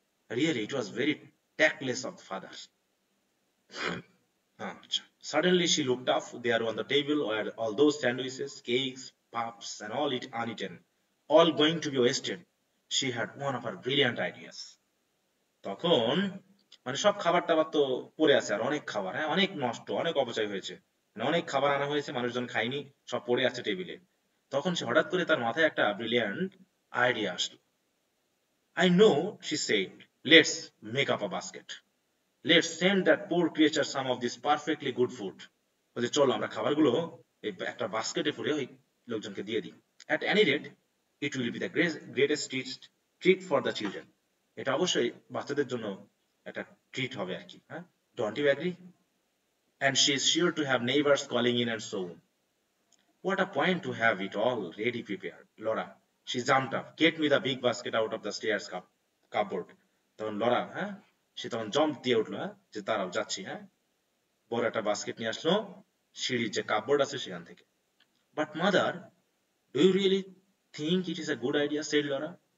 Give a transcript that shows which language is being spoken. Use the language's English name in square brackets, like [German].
[English] really it was very tactless of father, আচ্ছা suddenly she looked up, they are on the table were all those sandwiches cakes puffs and all it uneaten all going to be wasted, she had one of her brilliant ideas, [Bangla] তখন মানে সব খাবার টাবার তো পড়ে আছে আর অনেক খাবার, হ্যাঁ অনেক নষ্ট অনেক অপচয় হয়েছে, মানে অনেক খাবার আনা হয়েছে মানুষজন খায়নি সব পড়ে আছে টেবিলে, তখন সে হঠাৎ করে তার মাথায় একটা ব্রিলিয়ান্ট আইডিয়া আসলো, [English] I know, she said, let's make up a basket. Let's send that poor creature some of this perfectly good food. [Bangla] বলে চলো আমরা খাবারগুলো একটা বাস্কেটে ভরে ওই লোকজনকে দিয়ে দিই। [English] At any rate, it will be the greatest treat for the children. [Bangla] এটা অবশ্যই বাচ্চাদের জন্য একটা ট্রিট হবে আর কি। [English] হ্যাঁ, don't you agree? And she is sure to have neighbors calling in and so on. What a point to have it all ready prepared. Laura, she jumped up. Get me the big basket out of the stairs cupboard. [Bangla] তখন Laura, হ্যাঁ, সে তখন jump দিয়ে উঠলো, হ্যাঁ, যে তারাও যাচ্ছি, হ্যাঁ, বড় একটা বাস্কেট নিয়ে আসলো সিঁড়ির যে কাপড় আছে সেখান থেকে। [English] But mother, do you really think it is a good idea, said Laura.